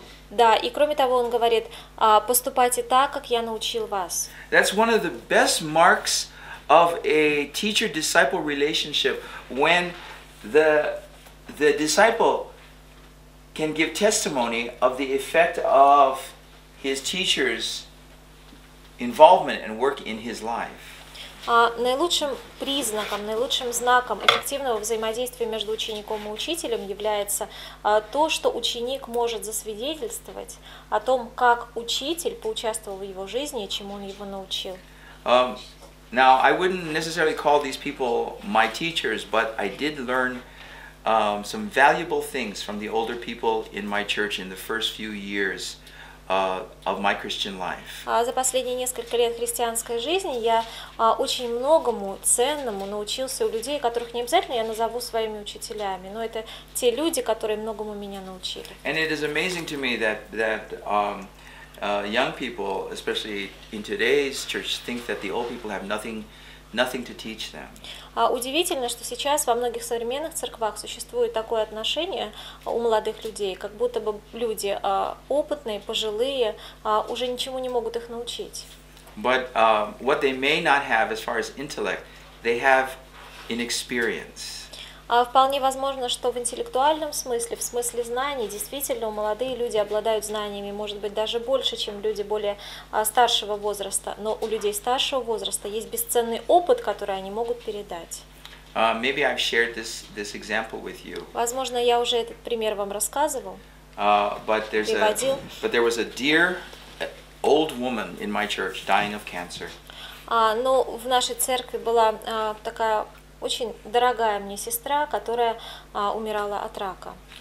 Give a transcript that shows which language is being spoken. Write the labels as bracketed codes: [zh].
[ru] Да, и кроме того, он говорит, поступайте так, как я научил вас. [en] That's one of the best marks of a teacher-disciple relationship when the disciple can give testimony of the effect of his teacher's involvement and work in his life. [ru] Наилучшим признаком, наилучшим знаком эффективного взаимодействия между учеником и учителем является то, что ученик может засвидетельствовать о том, как учитель поучаствовал в его жизни и чему он его научил. [en] Now, I wouldn't necessarily call these people my teachers, but I did learn some valuable things from the older people in my church in the first few years of my Christian life. [ru] За последние несколько лет христианской жизни я очень многому ценному научился у людей, которых не обязательно я назову своими учителями, но это те люди, которые многому меня научили. [en] And it is amazing to me that young people, especially in today's church, think that the old people have nothing nothing to teach them. [ru] Удивительно, что сейчас во многих современных церквах существует такое отношение у молодых людей, как будто бы люди опытные, пожилые, уже ничему не могут их научить. [en] But what they may not have as far as intellect, they have inexperience. [ru] Вполне возможно, что в интеллектуальном смысле, в смысле знаний, действительно, молодые люди обладают знаниями, может быть, даже больше, чем люди более старшего возраста. Но у людей старшего возраста есть бесценный опыт, который они могут передать. [en] Maybe I've shared this example with you. [ru] Возможно, я уже этот пример вам рассказывал. [en] But there was a dear old woman in my church dying of cancer. [ru] Но в нашей церкви была такая очень дорогая мне сестра, которая умирала от рака.